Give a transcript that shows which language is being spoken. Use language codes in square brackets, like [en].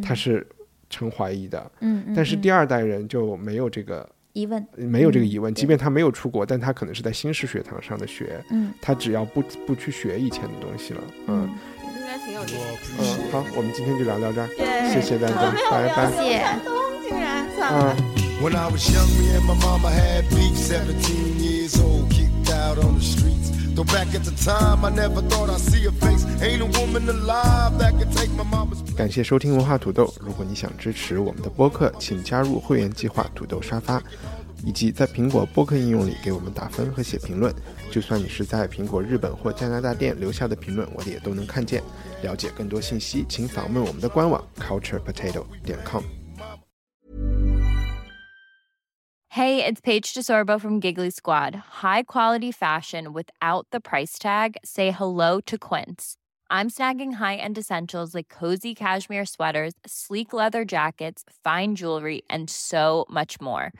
[zh] 他是成怀疑的、嗯、但是第二代人就没有这个疑问，没有这个疑问、嗯、即便他没有出国，但他可能是在新式学堂上的学、嗯、他只要 不去学以前的东西了、嗯嗯、应该挺有趣的、好，我们今天就聊到这儿、 [en] yeah. [zh] 谢谢大家、oh, 拜拜，谢谢。 [en] When I was young, me and my mama had beef. 17 years old, kicked out on the streets. Though back at the time, I never thought I'd see a face. Ain't a woman alive that could take my mama's. [zh] 感谢收听文化土豆。如果你想支持我们的播客，请加入会员计划土豆沙发，以及在苹果播客应用里给我们打分和写评论。就算你是在苹果日本或加拿大店留下的评论，我也都能看见。了解更多信息，请访问我们的官网 culturepotato.com。 [en] Hey, it's Paige DeSorbo from Giggly Squad. High quality fashion without the price tag. Say hello to Quince. I'm snagging high-end essentials like cozy cashmere sweaters, sleek leather jackets, fine jewelry, and so much more.